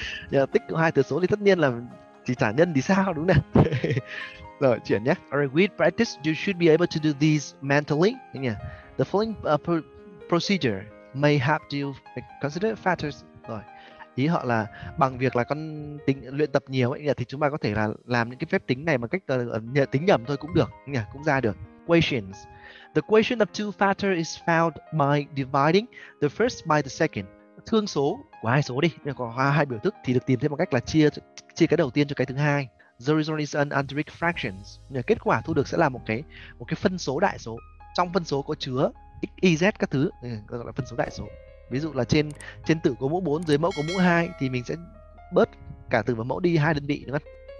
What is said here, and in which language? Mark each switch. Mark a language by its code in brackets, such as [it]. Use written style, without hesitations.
[vi] Tích của hai thừa số thì tất nhiên là chỉ trả nhân thì sao, đúng nè. Rồi, chuyển nhé. [en] Alright, with practice, you should be able to do these mentally. The following procedure may help you consider factors. [vi] Rồi, ý họ là bằng việc là con tính luyện tập nhiều ấy, thì chúng ta có thể là làm những cái phép tính này bằng cách tính nhầm thôi cũng được, cũng ra được. [en] Quotients. The quotient of two factors is found by dividing the first by the second. [vi] Thương số của hai số đi, có hai biểu thức thì được tìm thấy bằng cách là chia cái đầu tiên cho cái thứ hai. [en] The result is an algebraic fraction. [vi] Kết quả thu được sẽ là một cái phân số đại số. Trong phân số có chứa x, y, z các thứ, gọi là phân số đại số. Ví dụ là trên tử có mũ 4, dưới mẫu có mũ 2 thì mình sẽ bớt cả tử và mẫu đi hai đơn vị, đúng không?